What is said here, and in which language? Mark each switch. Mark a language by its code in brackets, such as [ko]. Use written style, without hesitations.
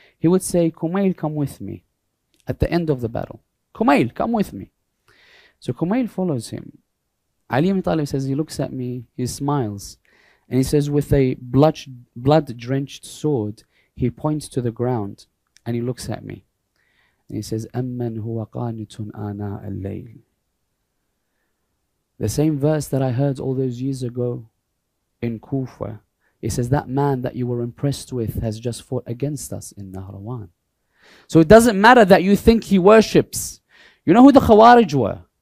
[en] He would say, Kumail, come with me. At the end of the battle, Kumail, come with me. So Kumail follows him. Ali ibn Talib says, he looks at me, he smiles, and he says, with a blood-drenched sword, he points to the ground, and he looks at me. And he says, [ar] أَمَّنْ هُوَ قَانِتٌ آنَاءَ اللَّيْلِ. [en] The same verse that I heard all those years ago in Kufa. He says, that man that you were impressed with has just fought against us in Nahrawan. So it doesn't matter that you think he worships. You know who the Khawarij were?